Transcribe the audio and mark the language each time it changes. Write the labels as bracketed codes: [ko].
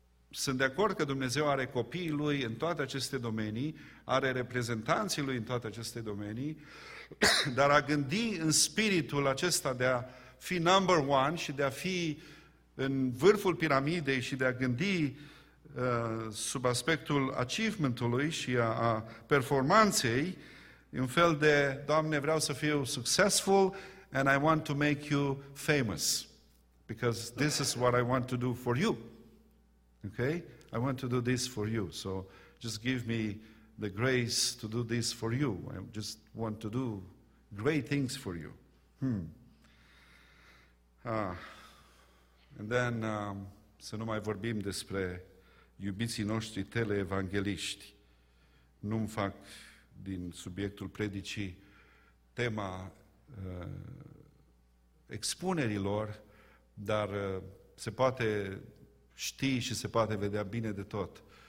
[ro] Sunt de acord că Dumnezeu are copiii Lui în toate aceste domenii, are reprezentanții Lui în toate aceste domenii, dar a gândi în spiritul acesta de a fi [en] number one [ro] și de a fi în vârful piramidei și de a gândi sub aspectul achievement-ului și a performanței, în fel de, Doamne, vreau să fiu [en] successful and I want to make you famous. Because this is what I want to do for you. Okay? I want to do this for you. So just give me the grace to do this for you. I just want to do great things for you. And then, [ro] să nu mai vorbim despre iubiții noștri tele-evangeliști. Nu-mi fac din subiectul predicii tema expunerilor, dar se poate ști și se poate vedea bine de tot